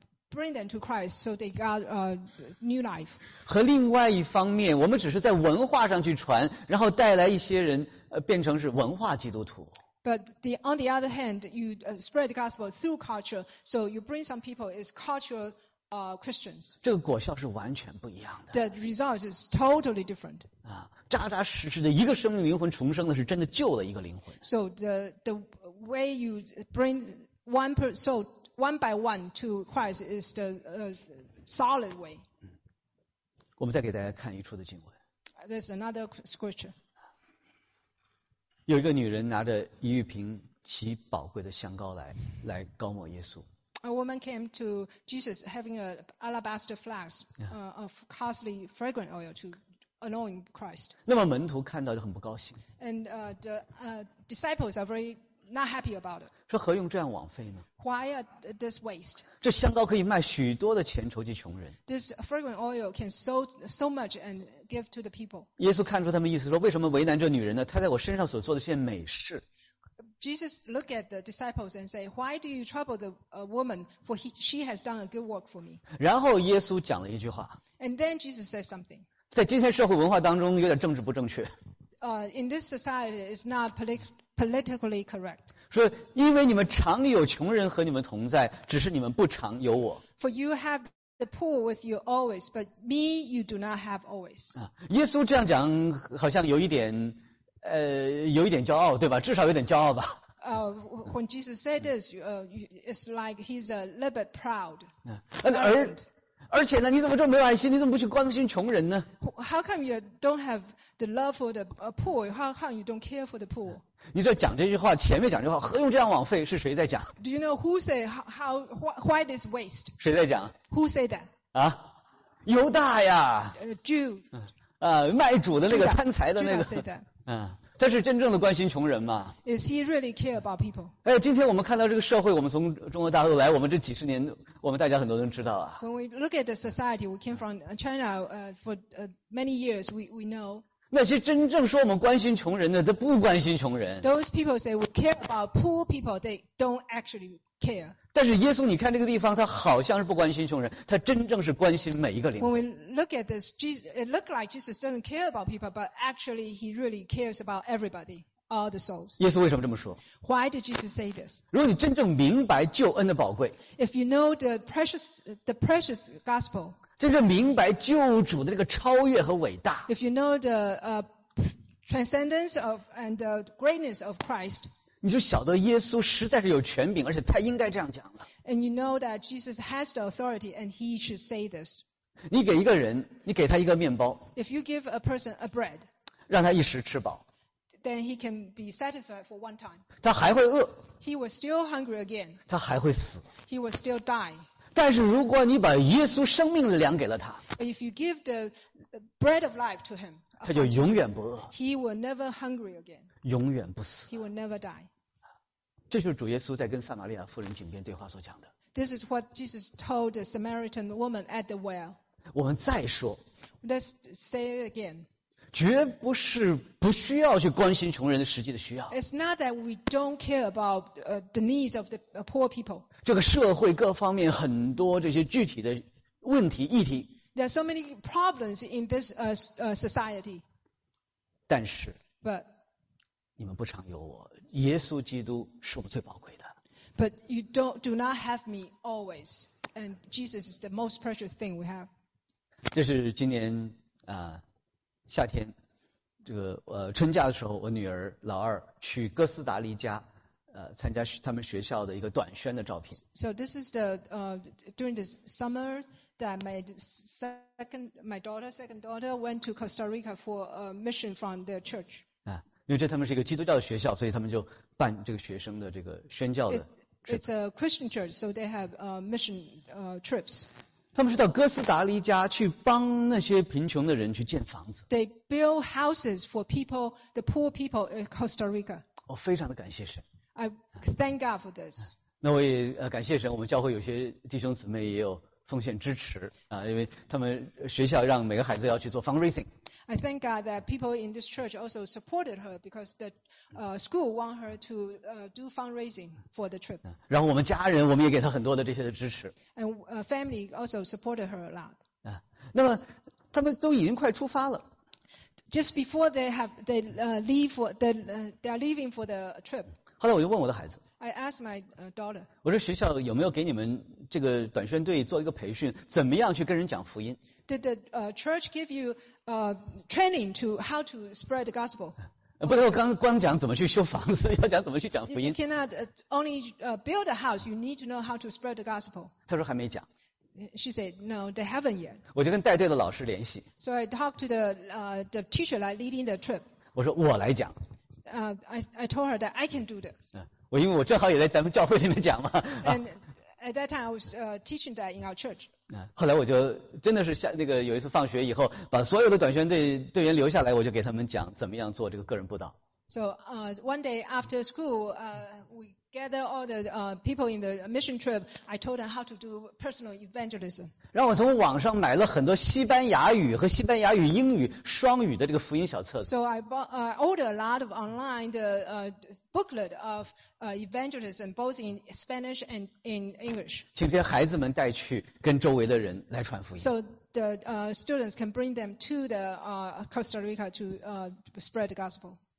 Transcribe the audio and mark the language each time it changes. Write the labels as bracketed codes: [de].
[en] Bring them to Christ so they got a new life. [zh] 和另外一方面，我们只是在文化上去传，然后带来一些人变成是文化基督徒。 [en] But the, on the other hand, you spread the gospel through culture, so you bring some people as cultural Christians. [zh] 这个果效是完全不一样的。 [en] The result is totally different. [zh] 啊，扎扎实实的一个生命灵魂重生的是真的救了一个灵魂。 [en] So the way you bring one per soul one by one to Christ is the solid way. [zh] 我们再给大家看一处的经文。 [en] There's another scripture. [zh] 有一个女人拿着一玉瓶极宝贵的香膏来膏抹耶稣。 [en] A woman came to Jesus having an alabaster flask of costly fragrant oil to anoint Christ. [zh] 那么门徒看到就很不高兴。 [en] And the disciples are very not happy about it. [zh] 说何用这样枉费呢 [en] ？Why this waste? [zh] 这香膏可以卖许多的钱筹集穷人。 [en] This fragrant oil can so much and give to the people. [zh] 耶稣看出他们意思说，为什么为难这女人呢？她在我身上所做的是件美事。 [en] Jesus looked at the disciples and said, "Why do you trouble the woman? For she has done a good work for me." [zh] 然后耶稣讲了一句话。 [en] And then Jesus said something. [zh] 在今天社会文化当中，有点政治不正确。 [en] In this society, it's not politically correct. [zh] 说因为你们常有穷人和你们同在，只是你们不常有我。 [en] For you have the poor with you always, but me you do not have always. [zh] 啊，耶稣这样讲好像有一点骄傲，对吧？至少有点骄傲吧。 [en] When Jesus said this, it's like he's a little bit proud. [zh] 而且呢，你怎么这么没有爱心？你怎么不去关心穷人呢 [en] ？How come you don't have the love for the poor? How come you don't care for the poor? [zh] 你这讲这句话，前面讲这句话，何用这样枉费？是谁在讲 [en] ？Do you know who say why this waste? [zh] 谁在讲 [en] ？Who say that? [zh] 啊，犹大呀 [en] ，Jew， [zh] 啊，卖主的那个，贪财的那个，嗯。他是真正的关心穷人吗 [en] ？Is he really care about people？ [zh] 哎，今天我们看到这个社会，我们从中国大陆来，我们这几十年，我们大家很多人知道啊。 [en] When we look at the society we came from China for many years, we know. [zh] 那些真正说我们关心穷人的，都不关心穷人。 [en] Those people say we care about poor people, they don't actually care. [zh] 但是耶稣，你看这个地方，他好像是不关心穷人，他真正是关心每一个灵魂。 [en] When we look at this, it looked like Jesus doesn't care about people, but actually he really cares about everybody, all the souls. [zh] 耶稣为什么这么说 [en] ？Why did Jesus say this? [zh] 如果你真正明白救恩的宝贵 [en] ，If you know the precious gospel, [zh] 真正明白救主的这个超越和伟大 [en] ，If you know the transcendence of and the greatness of Christ. [zh] 你就晓得耶稣实在是有权柄，而且他应该这样讲了。 [en] And you know that Jesus has the authority, and he should say this. [zh] 你给一个人，你给他一个面包。 [en] If you give a person a bread, [zh] 让他一时吃饱。 [en] Then he can be satisfied for one time. [zh] 他还会饿。 [en] He will still hungry again. [zh] 他还会死。 [en] He will still die. [zh] 但是如果你把耶稣生命的粮给了他 [en] ，If you give the bread of life to him, [zh] 他就永远不饿。 [en] He will never hungry again. [zh] 永远不死。 [en] He will never die. [zh] 这就是主耶稣在跟撒玛利亚妇人井边对话所讲的。 [en] This is what Jesus told the Samaritan woman at the well. [zh] 我们再说。 [en] Let's say it again. [zh] 绝不是不需要去关心穷人的实际的需要。 [en] It's not that we don't care about the needs of the poor people. [zh] 这个社会各方面很多这些具体的问题议题。 [en] There are so many problems in this society. [zh] 但是。 [en] But. [zh] 你们不常有我，耶稣基督是我们最宝贵的。 [en] But you do not have me always, and Jesus is the most precious thing we have. [zh] 这是今年夏天，这个春假的时候，我女儿老二去哥斯达黎加参加他们学校的一个短宣的照片。 [en] So this is the during the summer that my second daughter went to Costa Rica for a mission from their church. [zh] 因为这他们是一个基督教的学校，所以他们就办这个学生的这个宣教的 [en] trip. It's a Christian church, so they have mission trips. [zh] 他们是到哥斯达黎加去帮那些贫穷的人去建房子。 [en] They build houses for people, the poor people in Costa Rica. [zh] 我非常的感谢神。 [en] I thank God for this. [zh] 那我也感谢神，我们教会有些弟兄姊妹也有奉献支持啊，因为他们学校让每个孩子要去做 fundraising。 [en] I thank God that people in this church also supported her because the school want her to do fundraising for the trip. [zh] 然后我们家人我们也给她很多的这些的支持。 [en] And family also supported her a lot. [zh] 那么他们都已经快出发了。 [en] Just before they are leaving for the trip. [zh] 后来我就问我的孩子。 [en] I asked my daughter. [zh] 我说学校有没有给你们这个短宣队做一个培训，怎么样去跟人讲福音？ [en] Did the church give you training to how to spread the gospel? [zh] 不能光讲怎么去修房子，要讲怎么去讲福音。 [en] You cannot only build a house. You need to know how to spread the gospel. [zh] 他说还没讲。 [en] She said no, they haven't yet. [zh] 我就跟带队的老师联系。 [en] So I talked to the teacher like leading the trip. [zh] 我说我来讲。 [en] I told her that I can do this. [zh] 我因为我正好也在咱们教会里面讲嘛。 [en] At that time, I was teaching that in our church. [zh] 后来我就真的是下那个有一次放学以后，把所有的短宣队队员留下来，我就给他们讲怎么样做这个个人布道。 [en] So, one day after school, we gather all the people in the mission trip. I told them how to do personal evangelism. [zh] 让我从网上买了很多西班牙语和西班牙语英语双语的这个福音小册子。 [en] So I ordered a lot of online the booklet of evangelism, both in Spanish and in English. [zh] 请这些孩子们带去跟周围的人来传福音。 [en] So the students can bring them to the Costa Rica to spread the gospel.